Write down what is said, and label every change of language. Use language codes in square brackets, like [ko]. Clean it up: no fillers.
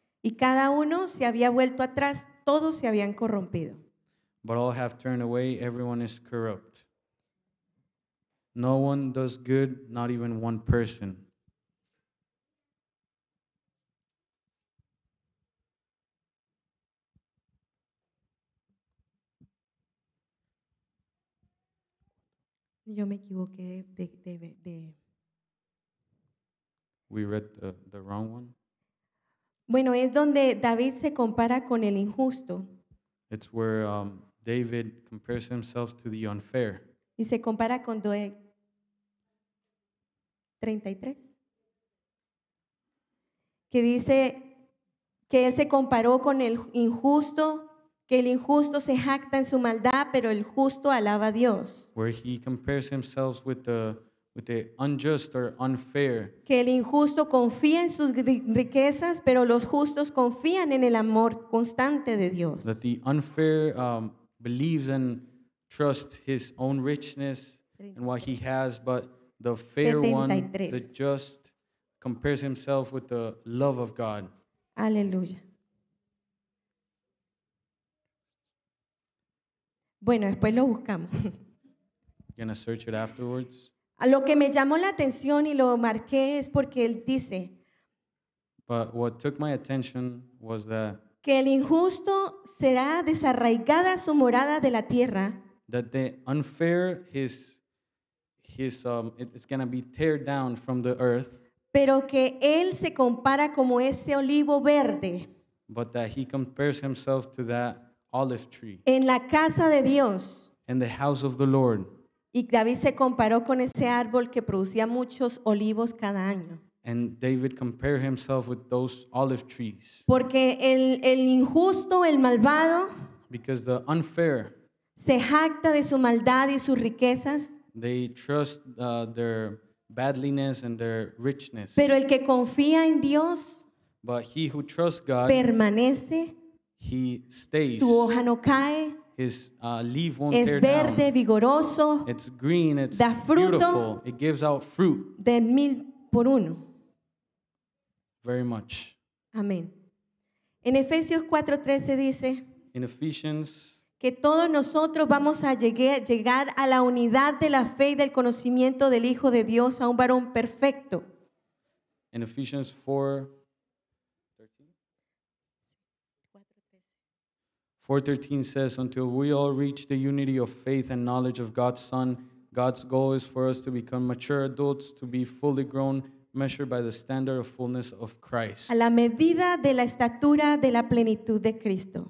[es] Y cada uno se había vuelto atrás, todos se habían corrompido. [en] But all have turned away, everyone is corrupt. No one does good, not even one person. [es] Yo me equivoqué de. [en] We read the wrong one. [es] Bueno, es donde David se compara con el injusto. [en] It's where David compares himself to the unfair. [es] Y se compara con Doeg 33. Que dice que él se comparó con el injusto. Que el injusto se jacta en su maldad, pero el justo alaba a Dios. [en] Where he compares himself with the unjust or unfair. [es] Que el injusto confía en sus riquezas, pero los justos confían en el amor constante de Dios. [en] That the unfair believes and trusts his own richness and what he has, but the fair [es] 73. [en] One, the just, compares himself with the love of God. [es] Aleluya. Bueno, después lo buscamos. [en] Gonna search it afterwards. [es] A lo que me llamó la atención y lo marqué es porque él dice. [en] But what took my attention was that. [es] Que el injusto será desarraigada su morada de la tierra. [en] That the unfair his it's gonna be teared down from the earth. [es] Pero que él se compara como ese olivo verde. [en] But that he compares himself to that. Olive tree. [es] En la casa de Dios. [en] In the house of the Lord. [es] Y David se comparó con ese árbol que producía muchos olivos cada año. [en] And David compared himself with those olive trees. [es] Porque el injusto, el malvado. [en] Because the unfair. [es] Se jacta de su maldad y sus riquezas. [en] They trust their badliness and their richness. [es] Pero el que confía en Dios. [en] But he who trusts God. [es] Permanece. [en] He stays. [es] Su hoja no cae. [en] His leaf won't [es] es [en] tear [es] verde, [en] down. [es] Vigoroso. [en] It's green. It's [es] da fruto [en] beautiful. It gives out fruit. [es] De mil por uno. [en] Very much. [es] Amén. En Efesios 4:13 dice. [en] In Ephesians. [es] Que todos nosotros vamos a llegar a la unidad de la fe y del conocimiento del Hijo de Dios a un varón perfecto. [en] In Ephesians 4. 4:13 says, until we all reach the unity of faith and knowledge of God's Son, God's goal is for us to become mature adults, to be fully grown, measured by the standard of fullness of Christ. [es] A la medida de la estatura de la plenitud de Cristo.